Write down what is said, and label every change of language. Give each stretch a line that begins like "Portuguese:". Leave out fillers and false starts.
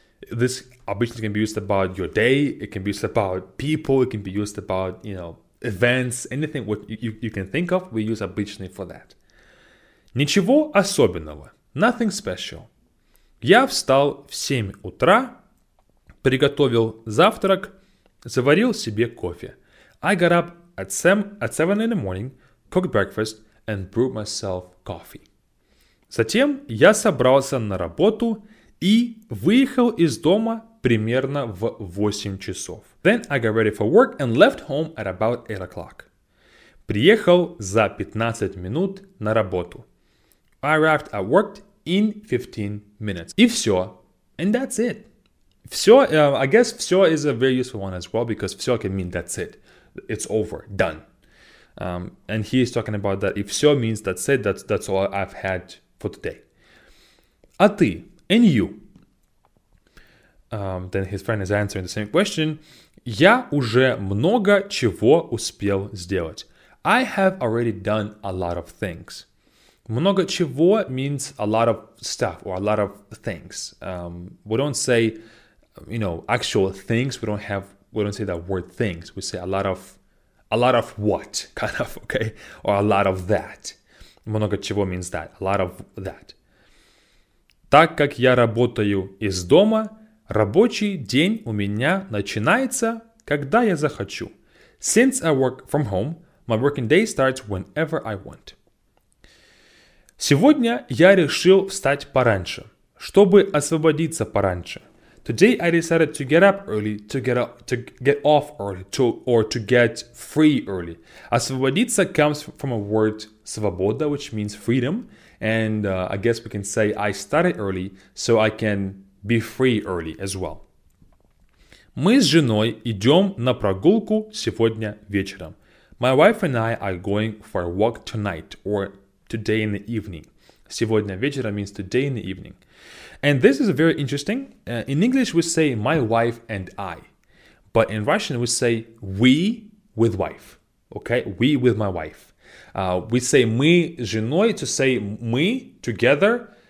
English: This обычный can be used about your day, it can be used about people, it can be used about, you know, events, anything what you can think of, we use обычный for that.
Russian: Ничего особенного.
English: Nothing special.
Russian: Я встал в 7 утра, приготовил завтрак, заварил себе кофе.
English: I got up at 7 in the morning, cooked breakfast, and brewed myself coffee.
Russian: Затем я собрался на работу и выехал из дома примерно в 8 часов.
English: Then I got ready for work and left home at about 8 o'clock.
Russian: Приехал за 15 минут на работу.
English: I arrived at work in 15 minutes.
Russian: И все.
English: And that's it. Все, I guess все is a very useful one as well, because все can mean that's it. It's over. Done. And he is talking about that. If все means that's it, that's all I've had for today.
Russian: А ты?
English: And you? Then his friend is answering the same question.
Russian: Я уже много чего успел сделать.
English: I have already done a lot of things. Много чего means a lot of stuff or a lot of things. We don't say, you know, actual things. We don't say that word things. We say a lot of what kind of, okay? Or a lot of that. Много чего means that, a lot of that.
Russian: Так как я работаю из дома, рабочий день у меня начинается, когда я захочу.
English: Since I work from home, my working day starts whenever I want.
Russian: Сегодня я решил встать пораньше, чтобы освободиться пораньше.
English: Today I decided to get up early, to get off early, to get free early. Освободиться comes from a word свобода, which means freedom. And I guess we can say I started early, so I can be free early as well.
Russian: Мы с женой идем на прогулку сегодня вечером.
English: My wife and I are going for a walk tonight or today in the evening. Сегодня вечером means today in the evening. And this is very interesting. In English, we say my wife and I. But in Russian, we say we with wife. Okay, we with my wife. We say
Russian: мы с женой
English: to say мы together.